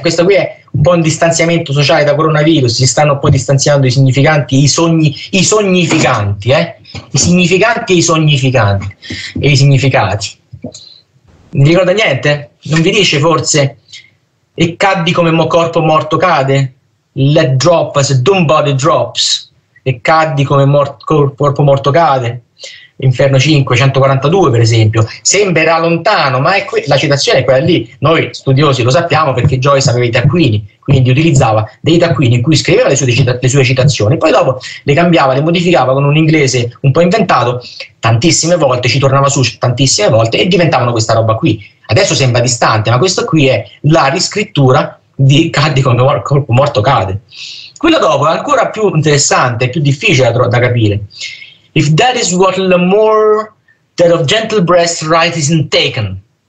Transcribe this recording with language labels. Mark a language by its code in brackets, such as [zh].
[it] Questo qui è un po' un distanziamento sociale da coronavirus, si stanno poi distanziando i significanti, i significati. Non ricorda niente? Non vi dice forse? E caddi come mo corpo morto cade? [en] Let drop as dumb body drops. [it] E caddi come corpo morto cade? Inferno 5, 142 per esempio, sembrerà lontano, ma è la citazione è quella lì. Noi studiosi lo sappiamo perché Joyce aveva i taccuini, quindi utilizzava dei taccuini in cui scriveva le sue citazioni, poi dopo le cambiava, le modificava con un inglese un po' inventato, tantissime volte, ci tornava su tantissime volte e diventavano questa roba qui. Adesso sembra distante, ma questo qui è la riscrittura di Caddi come corpo morto cade. Quello dopo è ancora più interessante, più difficile da capire. [en] If that is what L'amour that of gentle breast right isn't taken.